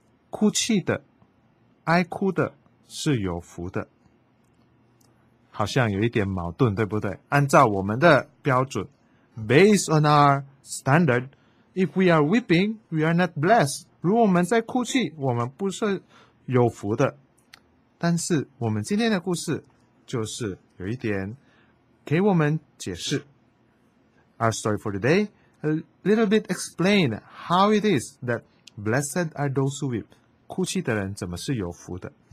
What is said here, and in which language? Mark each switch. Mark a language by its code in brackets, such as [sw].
[zh] 哭泣的、哀哭的是有福的。好像有一点矛盾，对不对？按照我们的标准 [en] ,based on our standard,If we are weeping, we are not blessed. [zh] 如果我们在哭泣，我们不是有福的。但是我们今天的故事就是有一点给我们解释。 [en] Our story for today, a little bit explain how it is that blessed are those who weep. [zh] 哭泣的人怎么是有福的。